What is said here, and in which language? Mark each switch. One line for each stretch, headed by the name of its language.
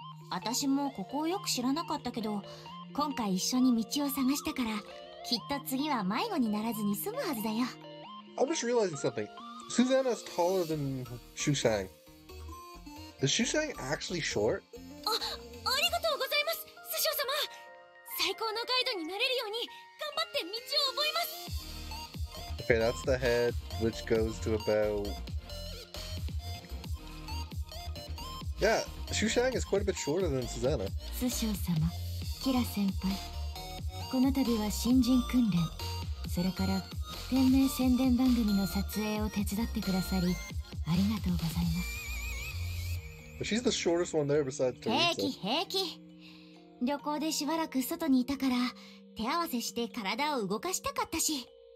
Japanese: 私もここをよく知らなかったけど、今回一緒に道を探したから、きっと次は迷子にならずに済むはずだよ。
English: I'm just realizing something. Susanna's taller than Shusang. Is Shusang actually short?
Japanese: ありがとうございます、スシオ様。最高のガイドになれるように頑張って道を覚えます。
English: Okay, that's the head, which goes to about... Yeah, Shusang is quite a bit shorter than Susanna.
Japanese: Sushio-sama, Kira-senpai. この度は新人訓練、それから店名宣伝番組の撮影を手伝ってくださり、ありがとうございます。
English: She's the shortest one there besides Teresa.
Japanese: 平気、平気。旅行でしばらく外にいたから、手合わせして体を動かしたかったし。